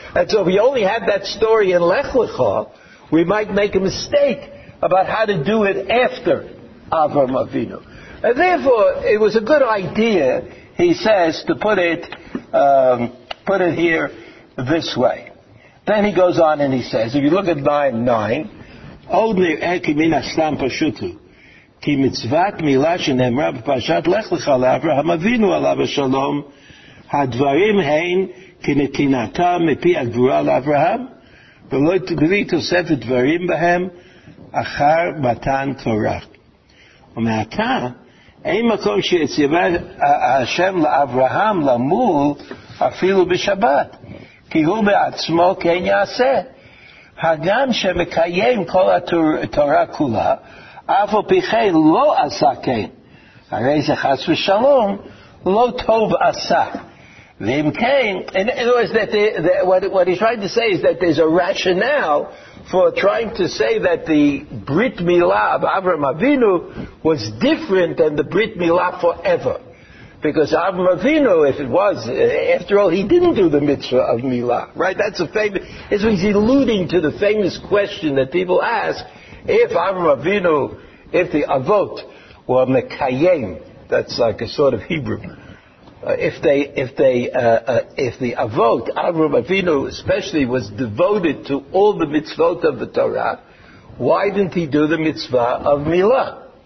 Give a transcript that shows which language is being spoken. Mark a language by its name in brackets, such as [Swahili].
[English] And so if we only had that story in Lech Lecha, we might make a mistake about how to do it after Avraham Avinu. And therefore, it was a good idea, he says, to put it here this way. Then he goes on and he says, if you look at [Hebrew] 9, אחר מתן תורה ומעתה אין מקום שיציבה השם לאברהם למול אפילו בשבת כי הוא בעצמו כן יעשה הגם שמקיים כל התורה כולה אף או פי כן לא עשה כן הרי זה חס ושלום לא טוב עשה ואם כן [English] in other words what he's trying to say is that there's a rationale for trying to say that the Brit Milah of Avraham Avinu was different than the Brit Milah forever. Because Avraham Avinu, if it was, after all, he didn't do the mitzvah of Milah, right? That's a famous, he's alluding to the famous question that people ask, if Avraham Avinu, if the Avot were Mekayim, that's like a sort of Hebrew, if the Avot, Avraham Avinu especially, was devoted to all the mitzvot of the Torah, why didn't he do the mitzvah of Milah?